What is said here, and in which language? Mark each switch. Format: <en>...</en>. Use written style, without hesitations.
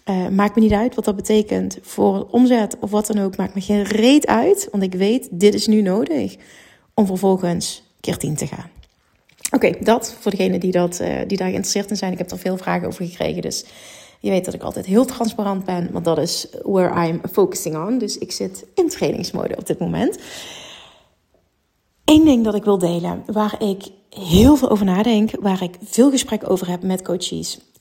<nl>Maakt me niet uit wat dat betekent voor omzet of wat dan ook. Maakt me geen reet uit, want ik weet, dit is nu nodig om vervolgens keer 10 te gaan. Oké, dat voor degenen die daar geïnteresseerd in zijn. Ik heb er veel vragen over gekregen, dus je weet dat ik altijd heel transparant ben. Want dat is</nl> <en>where I'm focusing on.</en> <nl>Dus ik zit in trainingsmode op dit moment. 1 ding dat ik wil delen, waar ik heel veel over nadenk, waar ik veel gesprek over heb met coaches.</nl>